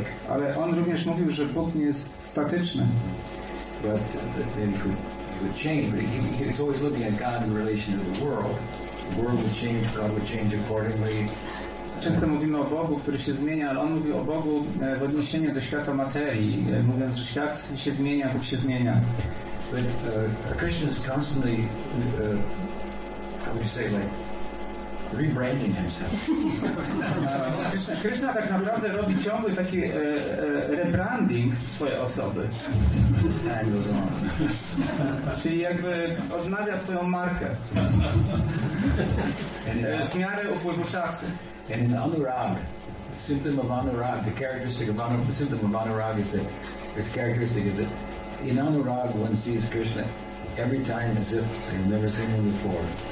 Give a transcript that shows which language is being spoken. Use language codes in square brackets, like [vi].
[pl] Ale on również mówił, że Bóg nie jest statyczny. [en] But he's always looking at God in relation to the world. The world would change, God would change accordingly. [pl] Często mówimy o Bogu, który się zmienia, ale on mówi o Bogu w odniesieniu do świata materii, mówiąc, że świat się zmienia, Bóg się zmienia. [en] But Krishna is constantly, how would you say, like, rebranding himself. [pl] Krishna tak naprawdę robi ciągły taki rebranding swojej osoby. Czyli jakby odnawia swoją markę. W miarę upływu czasu. [en] And in Anurag, symptom of Anurag, the characteristic of Anurag, the symptom of Anurag is that its characteristic is that in Anurag one sees Krishna every time as if I've never seen him before.